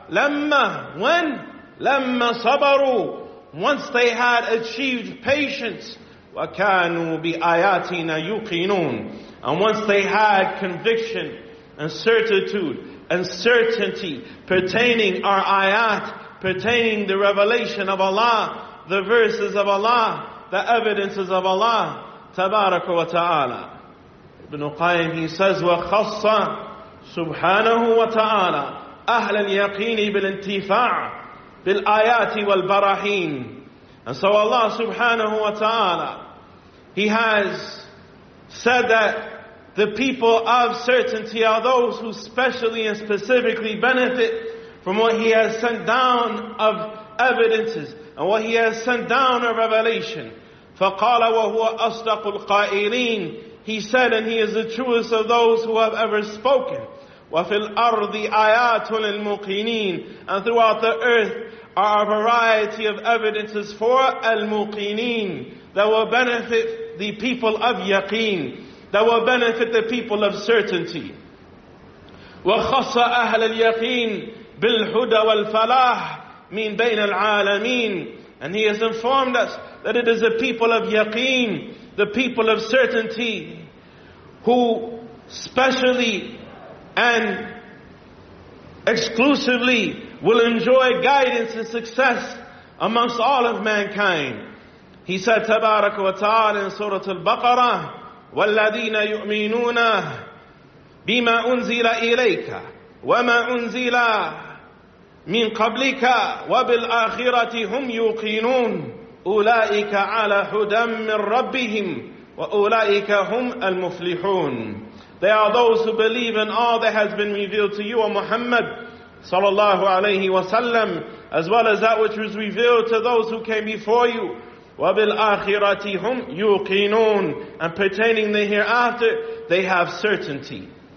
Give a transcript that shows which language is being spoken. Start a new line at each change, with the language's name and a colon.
English: لَمَّا, when?
Arabic: لَمَّا صَبَرُوا,
English: once they had achieved patience,
Arabic: وَكَانُوا بِآيَاتِنَا يُقِنُونَ,
English: and once they had conviction and certitude and certainty pertaining our ayat, pertaining the revelation of Allah, the verses of Allah, the evidences of Allah, تَبَارَكُ وَتَعَالَى. Ibn Qayyim, he says,
Arabic: وَخَصَّ سُبْحَانَهُ وَتَعَالَى أَهْلَ الْيَقِينِ بِالْإِنْتِفَاعِ بالآيات والبراهين.
English: And so Allah subhanahu wa ta'ala, He has said that the people of certainty are those who specially and specifically benefit from what He has sent down of evidences and what He has sent down of revelation.
Arabic: فَقَالَ وَهُوَ أَصْدَقُ الْقَائِلِينَ.
English: He said, and He is the truest of those who have ever spoken.
Arabic: وفي الأرض آيات للموقنين.
English: And throughout the earth are a variety of evidences for al-muqineen that will benefit the people of yaqeen, that will benefit the people of certainty.
Arabic: وَخَصَّ أَهْلَ الْيَقِينِ بِالْهُدَى وَالْفَلَاحِ مِنْ بَيْنَ الْعَالَمِينَ.
English: And he has informed us that it is the people of yaqeen, the people of certainty, who specially and exclusively will enjoy guidance and success amongst all of mankind. He said,
Arabic: تبارك وتعالى
English: in Surah Al-Baqarah,
Arabic: وَالَّذِينَ يُؤْمِنُونَ بِمَا أُنزِلَ إِلَيْكَ وَمَا أُنزِلَ مِنْ قَبْلِكَ وَبِالْآخِرَةِ هُمْ يُوقِنُونَ أُولَئِكَ عَلَى هُدًى مِنْ رَبِّهِمْ وَأُولَئِكَ هُمْ الْمُفْلِحُونَ.
English: They are those who believe in all that has been revealed to you, O Muhammad, صلى الله عليه وسلم, as well as that which was revealed to those who came before you.
Arabic: وَبِالْآخِرَةِ هُمْ يُوقِنُونَ.
English: And pertaining the hereafter, they have certainty.